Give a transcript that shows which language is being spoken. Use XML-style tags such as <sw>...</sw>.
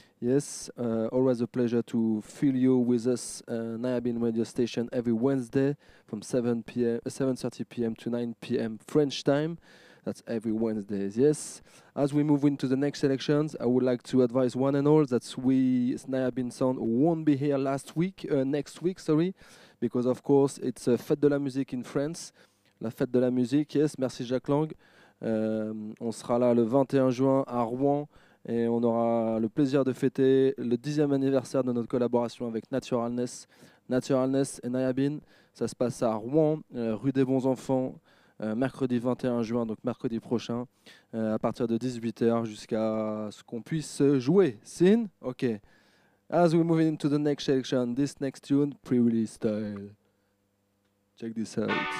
<en>Yes, always a pleasure to fill you with us, Niabin Radio Station, every Wednesday from 7:30 p.m. to 9 p.m. French time. That's every Wednesday, yes. As we move into the next selections, I would like to advise one and all that Niabin Sound won't be here next week, because of course it's a Fête de la Musique in France.</en> <fr>La Fête de la Musique, yes, merci Jacques Lang. On sera là le 21 juin à Rouen et on aura le plaisir de fêter le 10e anniversaire de notre collaboration avec Naturalness. Naturalness et Niabin, ça se passe à Rouen, rue des Bons Enfants, mercredi 21 juin, donc mercredi prochain, à partir de 18h jusqu'à ce qu'on puisse jouer. Sin, ok.</fr> <en>As we move into the next section, this next tune, pre-release style. Check this out.</en>